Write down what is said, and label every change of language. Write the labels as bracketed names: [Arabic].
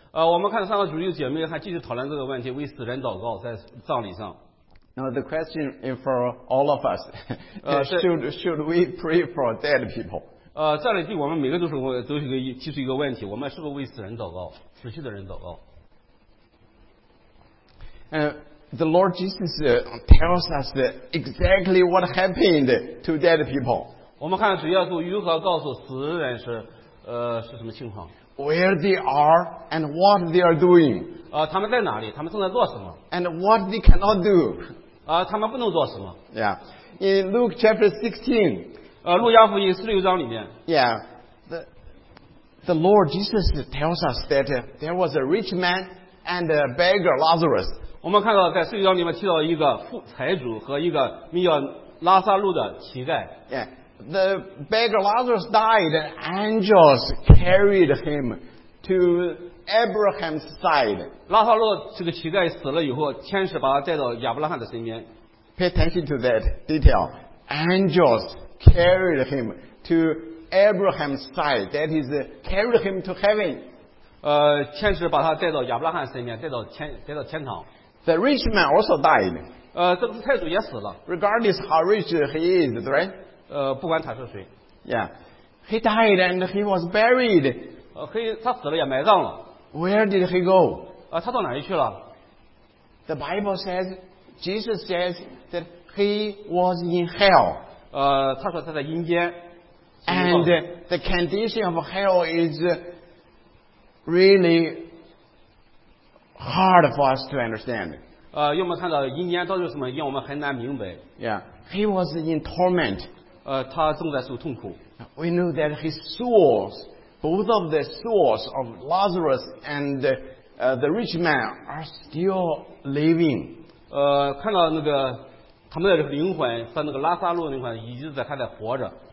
[Chinese] 我们看上个主日姐妹还继续讨论这个问题，为死人祷告在葬礼上。 [English] Now the question is for all of us. should we pray for dead people? [Chinese] 这里对我们每个都是提出一个问题，我们是不是为死人祷告，死去的人祷告？ [English] The Lord Jesus tells us exactly what happened to dead people. [Chinese] 我们看主耶稣如何告诉死人是什么情况。 [English] Where they are and what they are doing. [Chinese] 他们在哪里，他们正在做什么。 [English] And what they cannot do. [Chinese] 他们不能做什么。 [English] Yeah. In Luke chapter 16. [Chinese] 路加福音16章里面。 [English] Yeah. The, The Lord Jesus tells us that there was a rich man and a beggar Lazarus. [Chinese] 我们看到在圣经里面提到一个富财主和一个名叫拉撒路的乞丐。 [English] Yeah, the beggar Lazarus died, and angels carried him to Abraham's side. [Chinese] 拉撒路这个乞丐死了以后，天使把他带到亚伯拉罕的身边。 [English] Pay attention to that detail. Angels carried him to Abraham's side. That is, carried him to heaven. [Chinese] 天使把他带到亚伯拉罕身边，带到天堂。 [English] The rich man also died. [Chinese] 这个财主也死了。 [English] Regardless how rich he is, right? [Chinese] 不管他是谁。 [English] Yeah, he died and he was buried. [Chinese] 他死了也埋葬了。 [English] Where did he go? [Chinese] 他到哪里去了？ [English] The Bible says, Jesus says that he was in hell. [Chinese] 他说他在阴间。 [English] And the condition of hell is really hard for us to understand. [Chinese] 要么看到阴间到底什么，让我们很难明白。 [English] Yeah, he was in torment. [Chinese] 他正在受痛苦。 [English] We know that his souls, both of the souls of Lazarus and the rich man, are still living. [Chinese] 看到那个他们的灵魂和那个拉撒路的灵魂，一直在还在活着。